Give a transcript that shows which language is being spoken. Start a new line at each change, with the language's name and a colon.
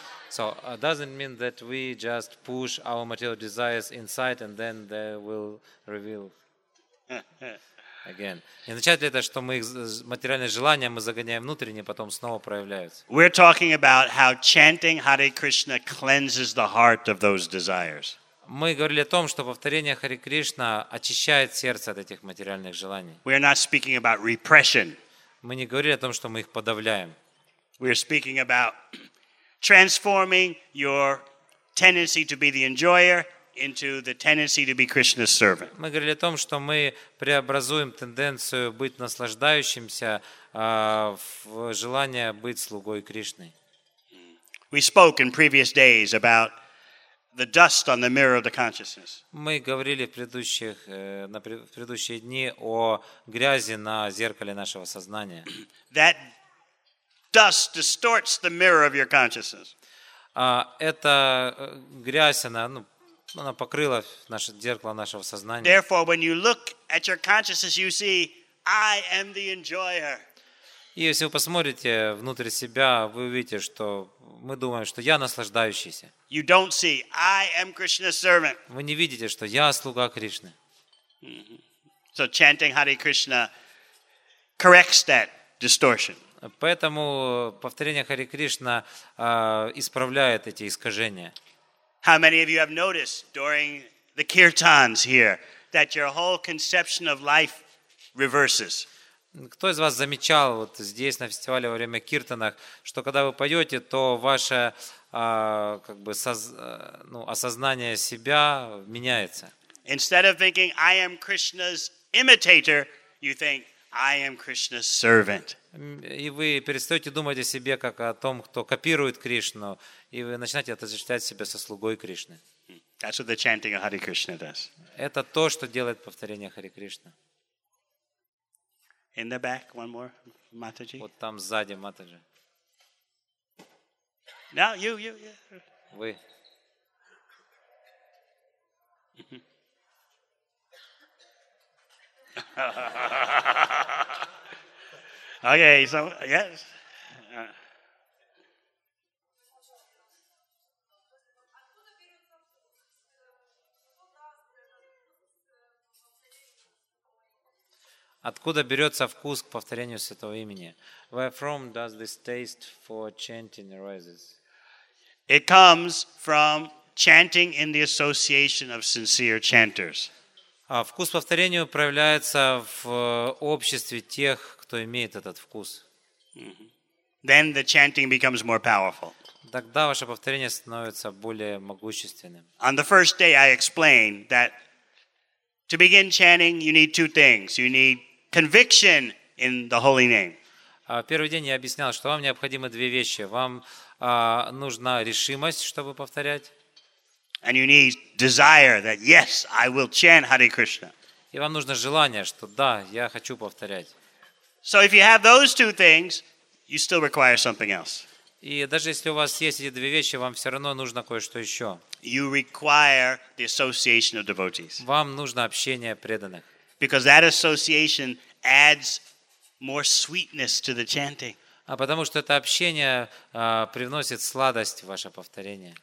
English: So doesn't mean that we just push our material desires inside and then they will reveal again.
Russian: Не означает ли это, что мы их материальные желания мы загоняем внутренне, потом снова проявляются?
English: We're talking about how chanting Hare Krishna cleanses the heart of those desires.
Russian: Мы говорили о том, что повторение Хари Кришна очищает сердце от этих материальных желаний.
English: We are not speaking about repression.
Russian: Мы не говорили о том, что мы их подавляем.
English: We are speaking about transforming your tendency to be the enjoyer into the tendency to be Krishna's servant.
Russian: Мы говорили о том, что мы преобразуем тенденцию быть наслаждающимся в желание быть слугой Кришны.
English: We spoke in previous days about the dust on the mirror of the consciousness.
Russian: Мы говорили в предыдущие дни о грязи на зеркале нашего сознания.
English: That dust distorts the mirror of your consciousness.
Russian: Эта грязь, она покрыла наше зеркало нашего сознания.
English: Therefore, when you look at your consciousness, you see I am the enjoyer.
Russian: И если вы посмотрите внутрь себя, вы увидите, что мы думаем, что я наслаждающийся.
English: You don't see I am Krishna's servant.
Russian: Вы не видите, что я слуга Кришны.
English: So chanting Hare Krishna corrects that distortion.
Russian: Поэтому повторение Хари Кришна исправляет эти искажения.
English: How many of you have noticed during the kirtans here that your whole conception of life reverses?
Russian: Кто из вас замечал вот здесь на фестивале во время киртанах, что когда вы поете, то ваше осознание себя меняется?
English: Instead of thinking I am Krishna's imitator, you think I am Krishna's servant.
Russian: И вы перестаете думать о себе как о том, кто копирует Кришну, и вы начинаете отождествлять себя со слугой Кришны.
English: That's what the chanting of Hare Krishna does.
Russian: Это то, что делает повторение Хари Кришна.
English: In the back, one more, Mataji.
Russian: Вот там сзади, Матаджи.
English: No, you.
Russian: Вы.
English: Okay, so, yes.
Russian: Откуда берется вкус к повторению святого имени?
English: Where from does this taste for chanting arises? It comes from chanting in the association of sincere chanters.
Russian: Вкус повторению проявляется в обществе тех, кто имеет этот вкус.
English: Then the chanting becomes more powerful.
Russian: Тогда ваше повторение становится более могущественным.
English: On the first day I explained that to begin chanting you need two things. You need conviction in the holy name.
Russian: Первый день я объяснял, что вам необходимы две вещи. Вам нужна решимость, чтобы повторять.
English: And you need desire that yes, I will chant Hare Krishna.
Russian: И вам нужно желание, что да, я хочу повторять.
English: So if you have those two things, you still require something else.
Russian: И даже если у вас есть эти две вещи, вам все равно нужно кое-что еще.
English: You require the association of devotees.
Russian: Вам нужно общение преданных.
English: Because that association adds more sweetness to the chanting.
Russian: А потому что это общение привносит сладость в ваше повторение.